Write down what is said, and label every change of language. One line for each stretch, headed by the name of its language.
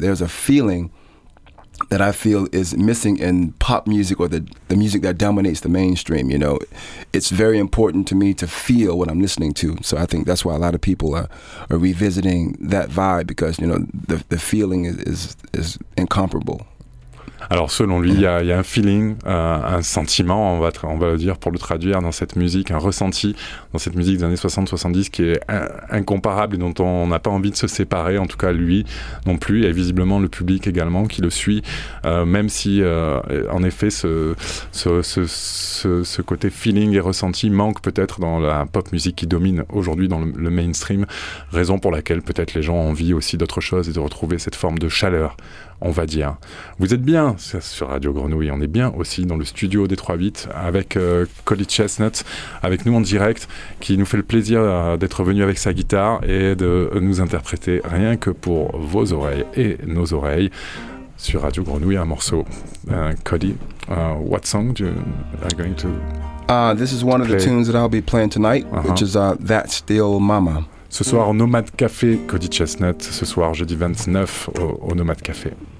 English: There's a feeling that I feel is missing in pop music or the music that dominates the mainstream. You know, it's very important to me to feel what I'm listening to. So I think that's why a lot of people are revisiting that vibe because, you know, the feeling is incomparable.
French: Alors selon lui, il y a un feeling, un sentiment, on va le dire pour le traduire, dans cette musique, un ressenti dans cette musique des années 60-70 qui est incomparable et dont on n'a pas envie de se séparer, en tout cas lui non plus, et visiblement le public également qui le suit, même si en effet ce côté feeling et ressenti manque peut-être dans la pop musique qui domine aujourd'hui dans le mainstream, raison pour laquelle peut-être les gens ont envie aussi d'autre chose et de retrouver cette forme de chaleur. On va dire. Vous êtes bien sur Radio Grenouille, on est bien aussi dans le studio des 3-8 avec Colly Chestnut, avec nous en direct, qui nous fait le plaisir d'être venu avec sa guitare et de nous interpréter rien que pour vos oreilles et nos oreilles sur Radio Grenouille un morceau.
English: Colly, what song do you are going to This is one of the tunes that I'll be playing tonight, which is That's Still Mama.
French: Ce soir au Nomad Café, Colly Chestnut, ce soir jeudi 29 au Nomad Café.